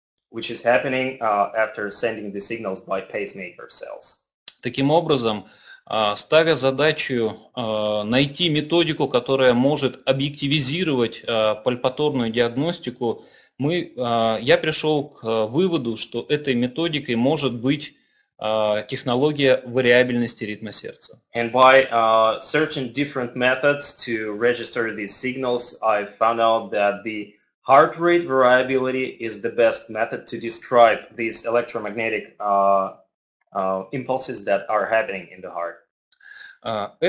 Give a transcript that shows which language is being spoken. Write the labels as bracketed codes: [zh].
[en] Which is happening after sending the signals by pacemaker cells. [ru] Таким образом, ставя задачу найти методику, которая может объективизировать пальпаторную диагностику, я пришел к выводу, что этой методикой может быть технология вариабельности ритма сердца. [en] And by searching different methods to register these signals, I found out that the heart rate variability is the best method to describe these electromagnetic impulses that are happening in the heart.